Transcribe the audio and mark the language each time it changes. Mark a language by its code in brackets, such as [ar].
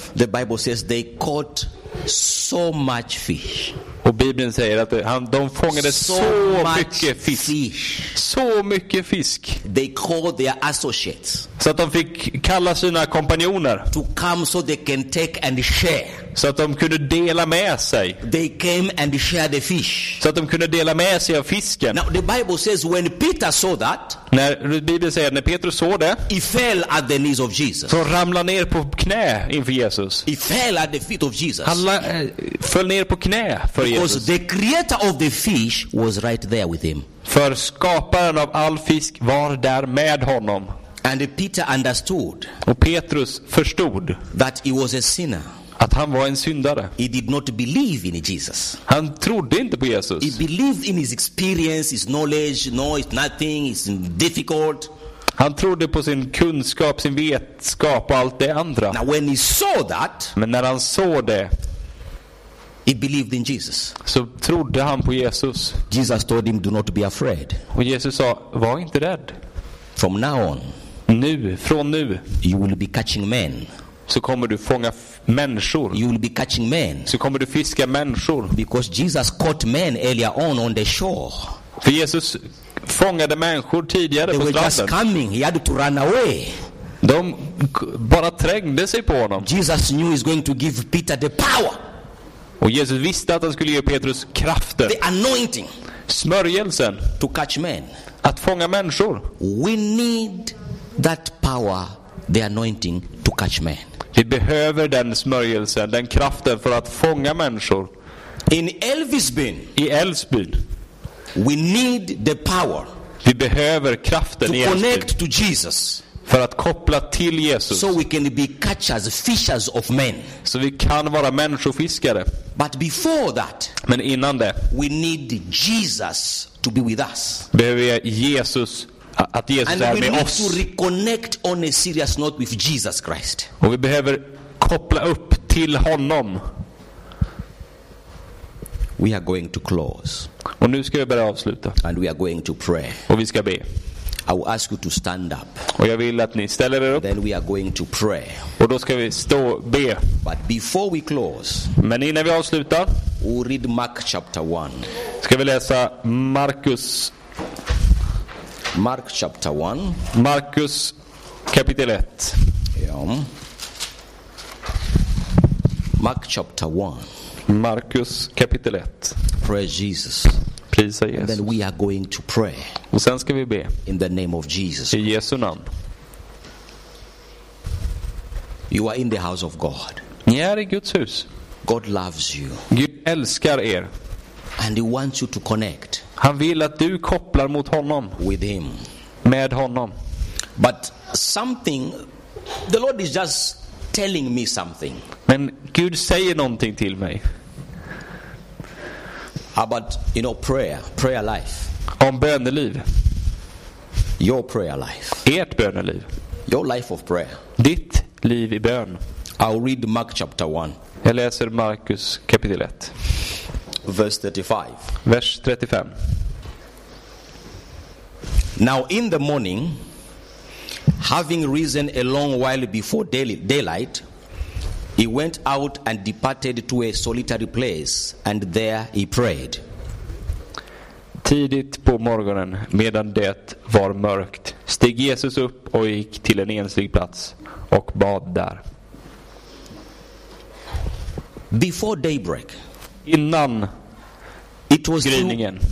[en] The Bible says they caught so much fish. [sv] Och Bibeln säger att de fångade så mycket fisk. [en] They called their associates. [sv] Så att de fick kalla sina kompanjoner. [en] To come so they can take and share. [sv] Så att de kunde dela med sig. [en] They came and shared the fish. [sv] Så att de kunde dela med sig av fisken. [en] Now the Bible says when Peter saw that, [sv] när Bibeln säger när Petrus såg det, [en] he fell at the knees of Jesus. [sv] Så ramlade ner på knä inför Jesus. [en] He fell at the feet of Jesus. [sv] Han föll ner på knä för [en] because [sv] Jesus. [en] Because the creator of the fish was right there with him. [sv] För skaparen av all fisk var där med honom. [en] And Peter understood. [sv] Och Petrus förstod [en] that he was a sinner. [sv] Att han var en syndare. [en] He did not believe in Jesus. [sv] Han trodde inte på Jesus. [en] He believed in his experience, his knowledge, no, it's nothing, it's difficult. [sv] Han trodde på sin kunskap, sin vetskap och allt det andra. [en] Now when he saw that, [sv] men när han såg det, [en] he believed in Jesus. [sv] Så trodde han på Jesus. [en] Jesus told him, do not be afraid. [sv] Och Jesus sa, var inte rädd. [en] From now on, [sv] nu, från nu, [en] you will be catching men. [sv] Så kommer du fånga människor. [en] You will be catching men. [sv] Så kommer du fiska människor. [en] Because Jesus caught men earlier on the shore. [sv] För Jesus fångade människor tidigare [en] they [sv] på stranden. [en] They were just coming. He had to run away. [sv] De bara trängde sig på honom. [en] Jesus knew he's going to give Peter the power. [sv] Och Jesus visste att han skulle ge Petrus kraften. [en] The anointing. [sv] Smörjelsen. [en] To catch men. [sv] Att fånga människor. [en] We need that power, the anointing, to catch men. [sv] Vi behöver den smörjelsen, den kraften för att fånga människor. [en] In Elvisbyn, [sv] i Älvsbyn, [en] we need the power. [sv] Vi behöver kraften [en] to [sv] i [en] connect to Jesus. [sv] För att koppla till Jesus. [en] So we can be catchers, fishers of men. [sv] Så vi kan vara människofiskare. [en] But before that, [sv] men innan det, [en] we need Jesus to be with us. [sv] Behöver vi Jesus. Att Jesus [en] and [sv] är [en] we [sv] med [en] need [sv] oss. [en] To reconnect on a serious note with Jesus Christ. [sv] Och vi behöver koppla upp till honom. [en] We are going to close. [sv] Och nu ska vi börja avsluta. [en] And we are going to pray. [sv] Och vi ska be. [en] I will ask you to stand up. [sv] Och jag vill att ni ställer er upp. [en] Then we are going to pray. [sv] Och då ska vi stå be. [en] But before we close. [sv] Men innan vi avslutar. [en] We'll read Mark chapter 1. [sv] Ska vi läsa Markus. [en] Mark chapter 1. [sv] Markus kapitel 1. Ja. [en] Mark chapter 1. [sv] Markus kapitel 1. [en] Pray Jesus. [sv] Prisa Jesus. [en] And then we are going to pray. [sv] Och sen ska vi be. [en] In the name of Jesus. [sv] I Jesu namn. [en] You are in the house of God. [sv] Ni är i Guds hus. [en] God loves you. [sv] Gud älskar er. [en] And he wants you to connect. [sv] Han vill att du kopplar mot honom. [en] With him. [sv] Med honom. [en] But something the Lord is just telling me something. [sv] Men Gud säger någonting till mig. [en] About, you know, prayer life. [sv] Om böneliv. [en] Your prayer life. [sv] Ert böneliv. [en] Your life of prayer. [sv] Ditt liv i bön. [en] I'll read Mark chapter 1. [sv] Jag läser Markus kapitel 1. [en] Verse 35. Now in the morning, having risen a long while before daylight, he went out and departed to a solitary place, and there he prayed. [sv] Tidigt på morgonen, medan det var mörkt, steg Jesus upp och gick till en enslig plats och bad där. [en] Before daybreak. [sv] Innan. [en] It was [sv] gryningen.